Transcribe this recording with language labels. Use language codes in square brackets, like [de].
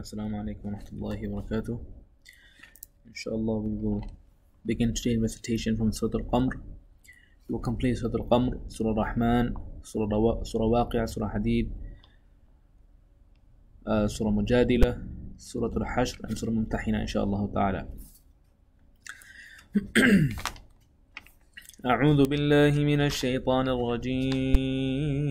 [ar] السلام عليكم ورحمة الله وبركاته. إن شاء الله [en] we will begin today's recitation from سورة القمر. We will complete سورة القمر, سورة الرحمن, سورة واقع, سورة حديد, سورة مجادلة, سورة الحشر, and سورة ممتحنة [ar] إن شاء الله تعالى. أعوذ بالله من الشيطان الرجيم.